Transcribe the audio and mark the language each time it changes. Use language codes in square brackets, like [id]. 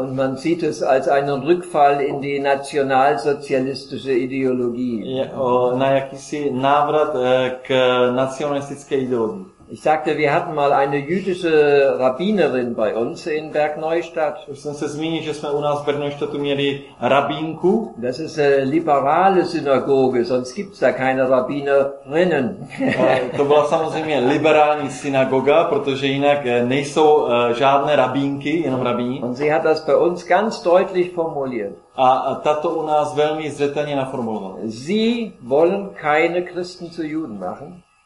[de] Und man sieht es als einen Rückfall in die nationalsozialistische Ideologie. [cs] Na jakýsi návrat k nacionalistické ideologii. [de] Ich sagte, wir hatten mal eine jüdische Rabbinerin bei uns in Bergneustadt. [cs] Už jsem se zmínil, že jsme u nás v Bergneustadtu měli rabínku. [de] Das ist eine liberale Synagoge, sonst gibt's da keine Rabbinerinnen. [cs] To byla samozřejmě liberální synagoga, protože jinak nejsou žádné rabínky, jenom rabíni. [de] Und sie hat das bei uns ganz deutlich formuliert. [cs] A tato u nás velmi zřetelně naformulovala. [de] Sie wollen keine Christen zu Juden machen.